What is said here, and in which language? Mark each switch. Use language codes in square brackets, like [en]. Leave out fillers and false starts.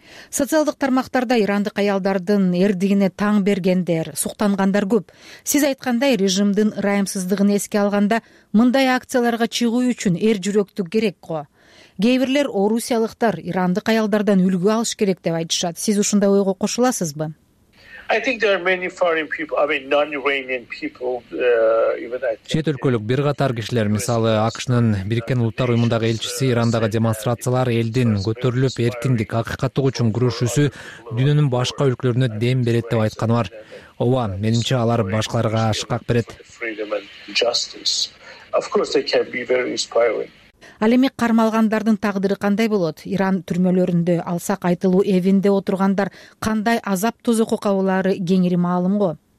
[ky] Социалдык тармактарда ирандык аялдардын эрдигине таң бергендер, суктангандар көп. Сиз айткандай, режимдин ырайымсыздыгын эске алганда, мындай акцияларга чыгуу үчүн эр жүрөктүк керек го. Кээ бирлер орусиялыктар ирандык аялдардан үлгү алыш керек деп айтышат. Сиз ушундай ойго кошуласызбы? [en] I think there are many foreign people, non-Iranian people, [ky] Чет өлкөлүк бир катар кишилер, мисалы, АКШнын Бириккен Улуттар Уюмундагы элчиси Ирандагы демонстрациялар элдин көтөрүлүп, эркиндик, акыйкаттык үчүн күрөшүүсү дүйнөнүн башка өлкөлөрүнө дем берет деп айтканы бар. Ооба, менимче алар башкаларга ашкак берет. [en] Of course they can be very inspiring. [ky] Ал эми кармалгандардын тагдыры кандай болот? Иран түрмөлөрүндө, алсак айтылуу эвинде отургандар кандай азап тозокко кабылары кеңири маалым го.